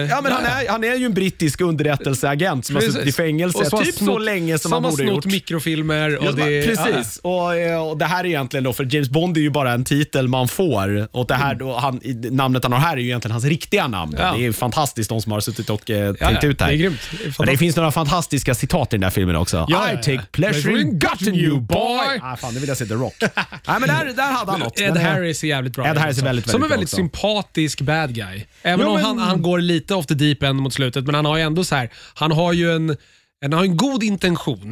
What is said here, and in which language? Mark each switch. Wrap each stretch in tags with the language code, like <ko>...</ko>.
<sv>Ja, men han är ju en brittisk underrättelseagent som precis har suttit i fängelse typ så länge som han borde gjort. Mikrofilmer och det, man, precis. Ja. Och det här är egentligen då, för James Bond är ju bara en titel man får, och det här då, han, namnet han har här är ju egentligen hans riktiga namn. Ja. Det är fantastiskt, de som har suttit och tänkt ut här. Det är grymt. Men det finns några fantastiska citat i den där filmen också.</sv> <en>Ja, I take pleasure in gutting you, boy.</en> <sv>Fan, det vill jag se The Rock. Nej, men där hade han något. Ed Harris är jävligt bra. Ed Harris är väldigt, som väldigt en väldigt också sympatisk bad guy. Även jo, om men... han går lite</sv> <en>off the deep end</en> <sv>mot slutet, men han har ju ändå så här, han har ju en har en god intention.</sv>